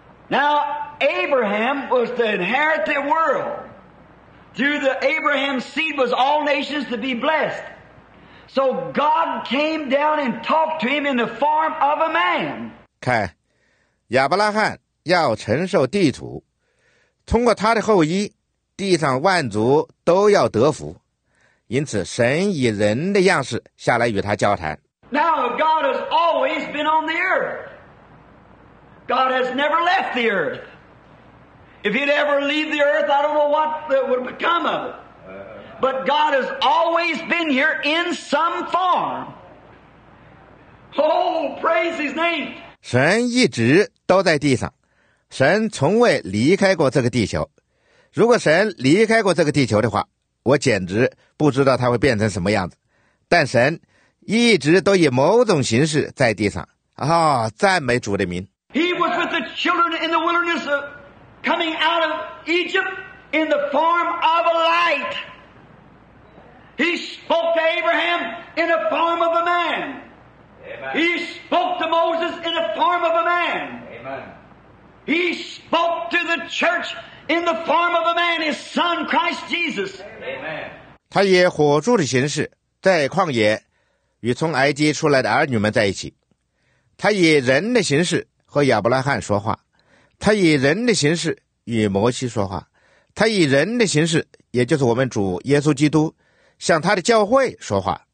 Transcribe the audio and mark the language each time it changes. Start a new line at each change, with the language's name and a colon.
English: Now Abraham was to inherit the world. Through the Abraham seed was all nations to be blessed. So God came down and talked to him in the form of a man.
Chinese: 看，亚伯拉罕要承受地土，通过他的后裔，地上万族都要得福，因此神以人的样式下来与他交谈。
English: Now God has always been on the earth. God has never left the earth. If He'd ever leave the earth, I don't know what would become of it. But God has always been here in some form. Oh, praise His name!
Chinese: 神一直都在地上，神从未离开过这个地球。如果神离开过这个地球的话，我简直不知道他会变成什么样子。但神一直都以某种形式在地上。啊、哦、赞美主的名。
English: He was with the children in the wilderness, coming out of Egypt in the form of a light. He spoke to Abraham in the form of a man. Amen. He spoke to Moses in the form of a man. Amen. He spoke to the church. In the form of a man, his son Christ Jesus. Amen.
Chinese: 他以火柱的形式在旷野与从埃及出来的儿女们在一起。他以人的形式和亚伯拉罕说话。他以人的形式与摩西说话。他以人的形式，也就是我们主耶稣基督，向他的教会说话。